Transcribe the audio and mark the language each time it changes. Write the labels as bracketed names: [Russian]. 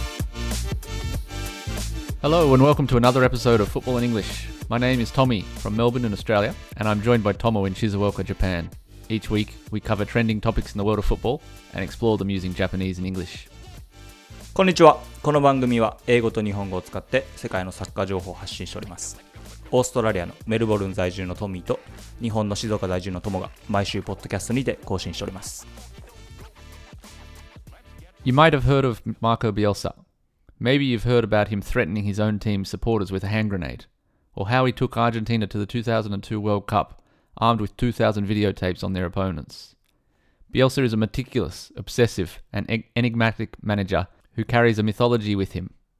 [English] Hello and welcome to another episode of Football in English. My name is Tommy from Melbourne in Australia, and I'm joined by Tomo in Shizuoka, Japan. Each week, we cover trending topics in the world of football and explore them using Japanese and English. [Japanese] こんにちは。この番組は英語と日本語を使って世界のサッカー情報を発信しております。オーストラリアのメルボルン在住のトミーと日本の静岡在住のトモが毎週ポッドキャストにて更新しております。 [English] You might have heard of Marcelo Bielsa. Maybe you've heard about him threatening his own team's supporters with a hand grenade, or how he took Argentina to the 2002 World Cup, armed with 2,000 videotapes on their opponents. Bielsa is a meticulous, obsessive, and enigmatic manager who carries a mythology with him.